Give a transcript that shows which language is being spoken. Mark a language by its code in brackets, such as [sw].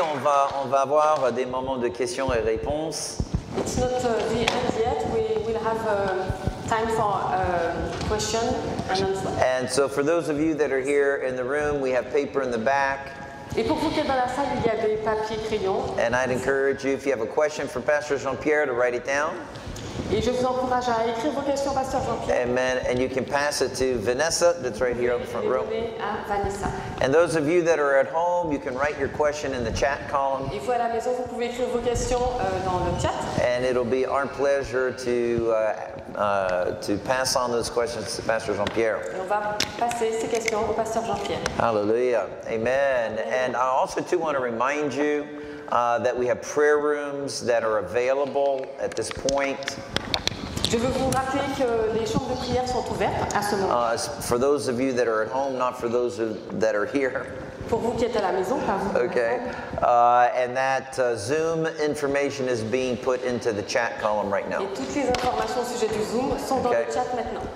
[fr] On va avoir des moments de questions et réponses. [en] It's not the end yet. We will have time for questions and answers. And so, for those of you that are here in the room, we have paper in the back. [fr] Et pour vous qui êtes dans la salle, il y a des papiers crayons. [en] And I'd encourage you, if you have a question for Pastor Jean-Pierre, to write it down. [fr] Et je vous encourage à écrire vos questions, Pasteur Jean-Pierre. Amen. [en] And you can pass it to Vanessa, that's right here on the front row. [fr] À Vanessa. [en] And those of you that are at home, you can write your question in the chat column. [fr] Et vous à la maison, vous pouvez écrire vos questions dans le chat. [en] And it'll be our pleasure to pass on those questions to Pastor Jean-Pierre. [fr] Et on va passer ces questions au Pasteur Jean-Pierre. [en] Hallelujah. Amen. And I also too want to remind you that we have prayer rooms that are available at this point. [fr] Je veux vous rappeler que les chambres de prière sont ouvertes à ce moment. [en] For those of you that are at home, not for those that are here. [fr] Pour vous qui êtes à la maison, pas vous. [en] Okay. And that Zoom information is being put into the chat column right now. [fr] Et toutes les informations au sujet du Zoom sont dans le chat maintenant.